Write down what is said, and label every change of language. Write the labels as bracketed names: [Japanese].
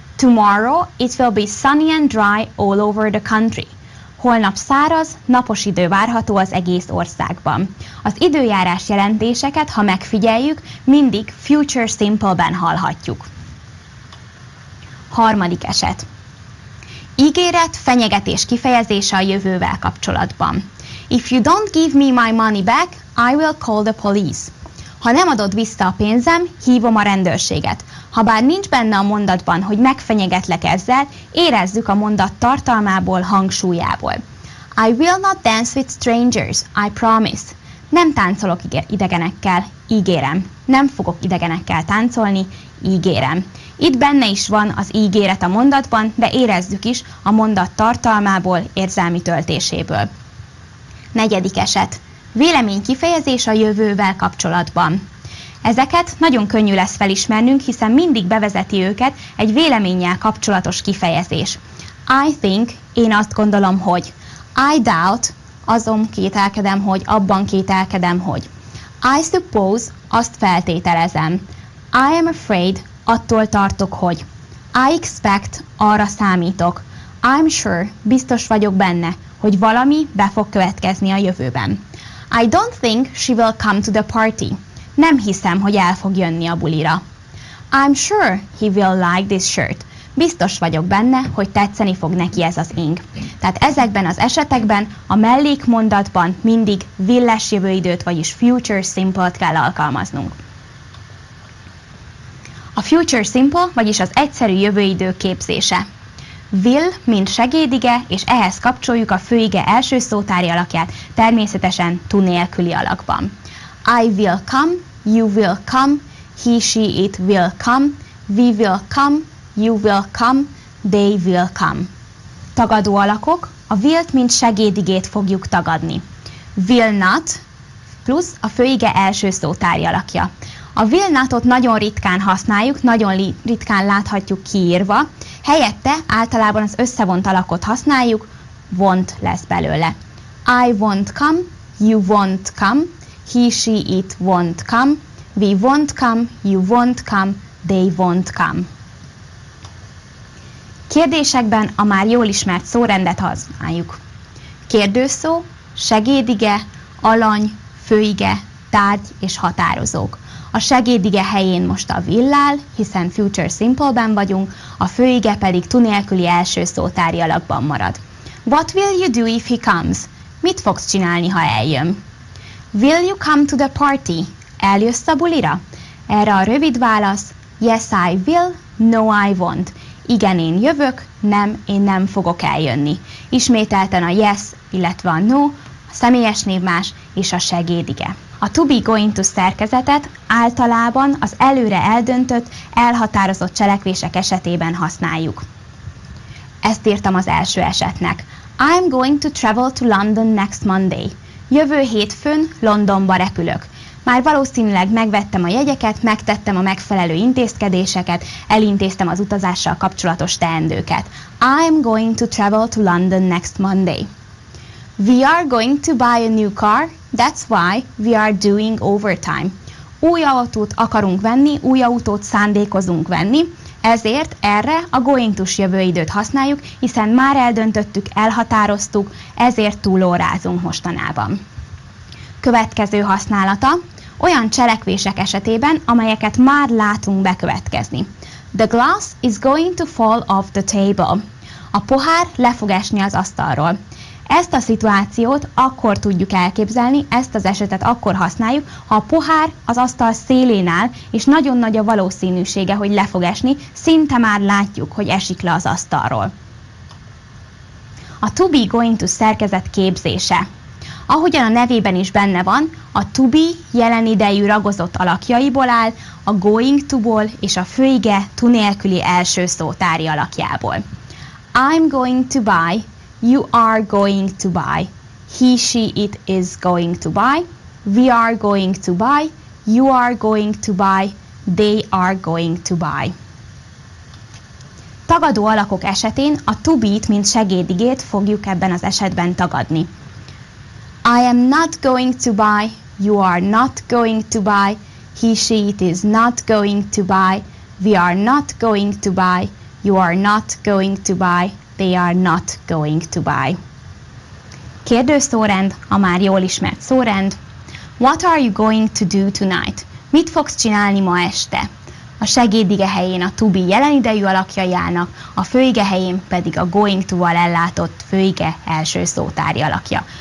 [English] Tomorrow it will be sunny and dry all over the country. [Hungarian] Holnap száraz, napos idő várható az egész országban. Az időjárás jelentéseket, ha megfigyeljük, mindig future simple-ben hallhatjuk. Harmadik eset. Ígéret, fenyegetés kifejezése a jövővel kapcsolatban. [English] If you don't give me my money back, I will call the police. [Hungarian] Ha nem adod vissza a pénzem, hívom a rendőrséget. Habár nincs benne a mondatban, hogy megfenyegetlek ezzel, érezzük a mondat tartalmából, hangsúlyából. [English] I will not dance with strangers, I promise. [Hungarian] Nem táncolok idegenekkel, ígérem. Nem fogok idegenekkel táncolni, ígérem. Itt benne is van az ígéret a mondatban, de érezzük is a mondat tartalmából, érzelmi töltéséből. Negyedik eset. Vélemény kifejezés a jövővel kapcsolatban. Ezeket nagyon könnyű lesz felismernünk, hiszen mindig bevezeti őket egy véleménnyel kapcsolatos kifejezés. [English] I think, [Hungarian] én azt gondolom, hogy. [English] I doubt, [Hungarian] azon kételkedem, hogy abban kételkedem, hogy. [English] I suppose, [Hungarian] azt feltételezem. [English] I am afraid, [Hungarian] attól tartok, hogy. [English] I expect, [Hungarian] arra számítok. [English] I'm sure, [Hungarian] biztos vagyok benne, hogy valami be fog következni a jövőben. [English] I don't think she will come to the party. [Hungarian] Nem hiszem, hogy el fog jönni a bulira. [English] I'm sure he will like this shirt. [Hungarian] Biztos vagyok benne, hogy tetszeni fog neki ez az ing. Tehát ezekben az esetekben a mellékmondatban mindig will-es jövőidőt, vagyis future simple-t kell alkalmaznunk. A future simple, vagyis az egyszerű jövőidő képzése. Will, mint segédige, és ehhez kapcsoljuk a főige első szótári alakját, természetesen to nélküli alakban. [English] I will come, you will come, he, she, it will come, we will come, you will come, they will come. [Hungarian] Tagadó alakok, a will-t mint segédigét fogjuk tagadni. Will not, plusz a főige első szótári alakja. A will not-ot nagyon ritkán használjuk, nagyon ritkán láthatjuk kiírva. Helyette általában az összevont alakot használjuk, won't lesz belőle. [English] I won't come, you won't come, he, she, it won't come, we won't come, you won't come, they won't come. [Hungarian] Kérdésekben a már jól ismert szórendet használjuk. Kérdőszó, segédige, alany, főige, tárgy és határozók. A segédige helyén most a villál, hiszen future simple-ben vagyunk, a főige pedig to nélküli első szótári alakban marad. [English] What will you do if he comes? [Hungarian] Mit fogsz csinálni, ha eljön? [English] Will you come to the party? [Hungarian] Eljössz a bulira? Erre a rövid válasz, [English] yes I will, no I won't. [Hungarian] Igen, én jövök, nem, én nem fogok eljönni. Ismételten a yes, illetve a no, a személyes név más és a segédige. A to be going to szerkezetet általában az előre eldöntött, elhatározott cselekvések esetében használjuk. Ezt írtam az első esetnek. [English] I'm going to travel to London next Monday. [Hungarian] Jövő hétfőn Londonba repülök. Már valószínűleg megvettem a jegyeket, megtettem a megfelelő intézkedéseket, elintéztem az utazással kapcsolatos teendőket. [English] I'm going to travel to London next Monday. We are going to buy a new car, that's why we are doing overtime. [Hungarian] Új autót akarunk venni, új autót szándékozunk venni, ezért erre a going to-s jövőidőt használjuk, hiszen már eldöntöttük, elhatároztuk, ezért túlórázunk mostanában. Következő használata olyan cselekvések esetében, amelyeket már látunk bekövetkezni. [English] The glass is going to fall off the table. [Hungarian] A pohár le fog esni az asztalról. Ezt a szituációt akkor tudjuk elképzelni, ezt az esetet akkor használjuk, ha a pohár az asztal szélén áll, és nagyon nagy a valószínűsége, hogy le fog esni, szinte már látjuk, hogy esik le az asztalról. A to be going to szerkezet képzése. Ahogyan a nevében is benne van, a to be jelen idejű ragozott alakjaiból áll, a going to-ból és a főige to nélküli első szótári alakjából. [English] I'm going to buy, you are going to buy, he, she, it is going to buy, we are going to buy, you are going to buy, they are going to buy. [Hungarian] Tagadó alakok esetén a to be-t mint segédigét fogjuk ebben az esetben tagadni. [English] I am not going to buy, you are not going to buy, he, she, it is not going to buy, we are not going to buy, you are not going to buy, they are not going to buy. [Hungarian] Kérdőszórend, a már jól ismert szórend. [English] What are you going to do tonight? [Hungarian] Mit fogsz csinálni ma este? A segédige helyén a to be jelen idejű alakjai állnak, a főige helyén pedig a going to-val ellátott főige első szótári alakja.